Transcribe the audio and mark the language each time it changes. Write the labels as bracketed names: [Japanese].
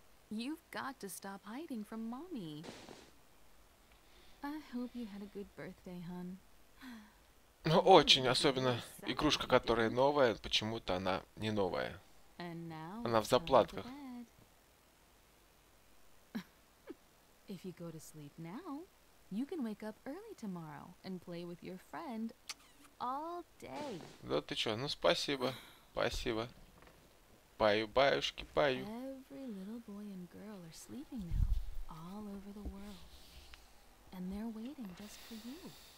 [English] You've got to stop hiding from mommy. I hope you had a good birthday, hon. [Russian] Ну, очень, особенно игрушка, которая новая, почему-то она не новая. Она в заплатках. [English] If you go to sleep now, you can wake up early tomorrow and play with your friend all day. [Russian] Да ты чё? Ну спасибо, спасибо. Баю, баюшки, баю. [English] Every little boy and girl are sleeping now, all over the world, and they're waiting just for you.